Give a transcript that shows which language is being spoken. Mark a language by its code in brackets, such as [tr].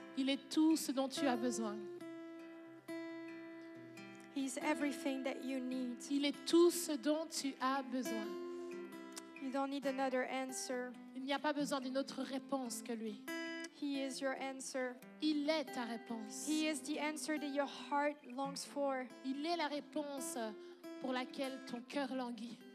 [fr] Il est tout ce dont tu as besoin. [en] He's everything that you need. [fr] Il est tout ce dont tu as besoin. [en] You don't need another answer. [fr] Il n'y a pas besoin d'une autre réponse que lui. [en] He is your answer. [fr] Il est ta réponse. [en] He is the answer that your heart longs for. [fr] Il est la réponse pour laquelle ton cœur languit.